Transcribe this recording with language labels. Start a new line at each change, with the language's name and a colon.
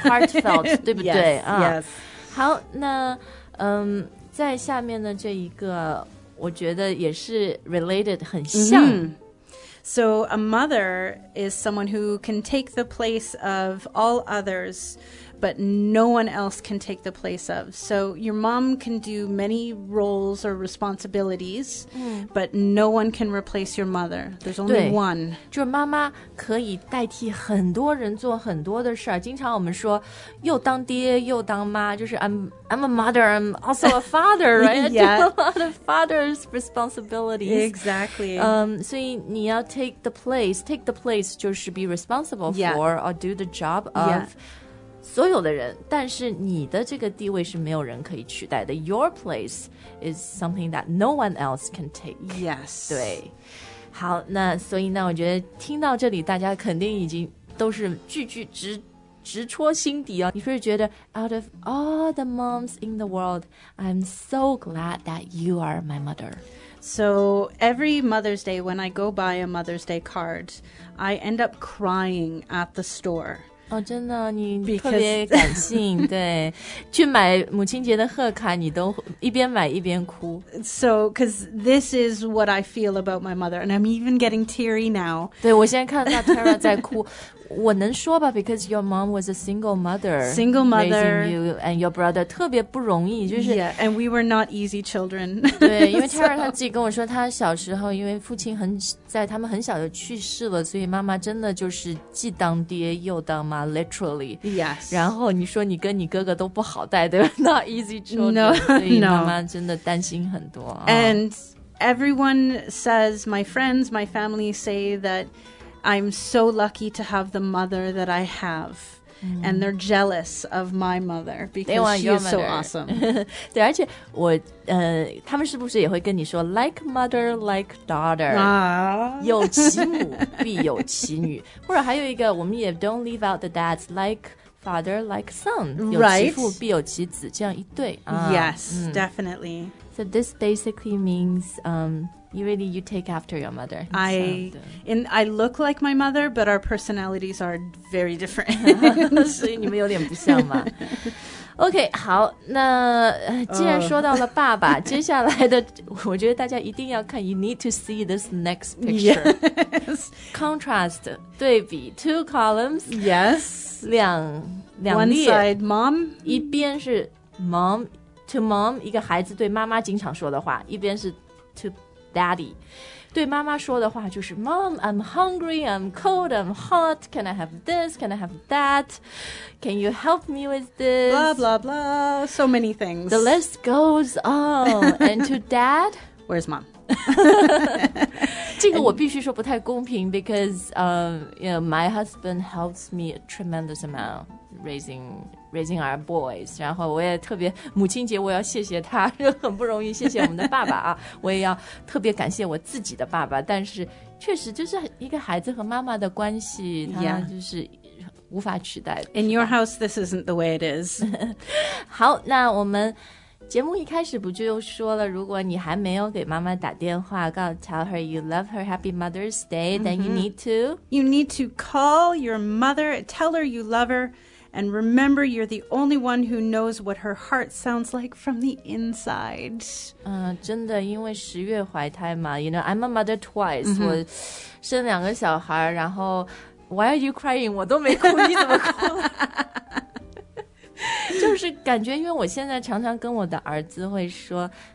Chinese: Heartfelt, 对不对？
English: Yes.
Chinese: 好，那在下面呢这一个我觉得也是 related 很像、 mm-hmm.
English: So a mother is someone who can take the place of all others, but no one else can take the place of. So your mom can do many roles or responsibilities,、mm-hmm. but no one can replace your mother. There's only one.
Chinese: 就是妈妈可以代替很多人做很多的事儿。经常我们说又当爹又当妈，就是
English: I'm a mother, I'm also a father, right? Yeah. I do a lot of father's responsibilities. Exactly. So you need to take the place. Take the place
Chinese: 就是
English: be responsible、 yeah. for or do the job of、 yeah.
Chinese: 所有的人，但是你的这个地位是没有人可以取代的。
English: Your place is something that no one else can take. Yes.
Chinese: 对。好，那所以呢，我觉得听到这里大家肯定已经都是句句直接直戳心底哦！你是不是觉得
English: out of all the moms in the world, I'm so glad that you are my mother. So every Mother's Day, when I go buy a Mother's Day card, I end up crying at the store.
Chinese: 哦，真的，你特别感性，对，去买母亲节的贺卡，你都一边买一边哭。
English: So, because this is what I feel about my mother, and I'm even getting teary now.
Chinese: 对，我现在看到 Tara 在哭。我能说吧
English: because your mom was a single mother. Single mother. Raising you and your brother
Chinese: 特别不容易、就是、
English: Yeah, and we were not easy children.
Chinese: 对，因为 Tara 她自己跟我说她小时候因为父亲很在他们很小就去世了，所以妈妈真的就是既当爹又当妈 literally.
English: Yes.
Chinese: 然后你说你跟你哥哥都不好带，对吧？
English: Not easy children. No, no.
Chinese: 所以妈妈真的担心很多。
English: And everyone says, my friends, my family say that,I'm so lucky to have the mother that I have.、Mm. And they're jealous of my mother because she is so awesome.
Chinese: 对，而且我他们是不是也会跟你说
English: like mother, like daughter.、
Chinese: 有其母必有其女。或者还有一个我们也
English: don't leave out the dads, like father, like son.、 Right?
Chinese: 有其父必有其子这样一对。
English: Yes,、definitely. So this basically means...、You take after your mother. I look like my mother, but our personalities are very different.
Chinese: 所以你们有点不像嘛。 OK, 好，那既然说到了爸爸，接下来的，我觉得大家一定要看 ，
English: You need to see this next picture. Yes. Contrast, 对比 ，two columns. Yes.
Chinese: 两列。
English: One side, mom.
Chinese: 一边是 mom, to mom, 一个孩子对妈妈经常说的话，一边是 to Daddy, 对妈妈说的话就是
English: Mom, I'm hungry, I'm cold, I'm hot, can I have this, can I have that, can you help me with this? Blah, blah, blah, so many things. The list goes on. And to Dad? Where's Mom?
Chinese: 这个我必须说不太公平
English: because my husband helps me a tremendous amount raising our boys.
Chinese: 然后我也特别母亲节我要谢谢他，很不容易，谢谢我们的爸爸啊！我也要特别感谢我自己的爸爸。但是确实就是一个孩子和妈妈的关系，他就是无法取代。
English: Yeah. In your house, this isn't the way it is.
Chinese: 好，那我们节目一开始不就又说了，如果你还没有给妈妈打电话，告诉
English: tell her you love her, Happy Mother's Day,、
Chinese: mm-hmm.
English: then you need to call your mother, tell her you love her. And remember, you're the only one who knows what her heart sounds like from the inside.
Chinese: 真的，因为十月怀胎嘛 ，
English: you know, I'm a mother twice.、
Chinese: Mm-hmm. 我生两个小孩，然后
English: why are you crying?
Chinese: 我都没哭，你怎么哭了？就是感觉，因为我现在常常跟我的儿子会说。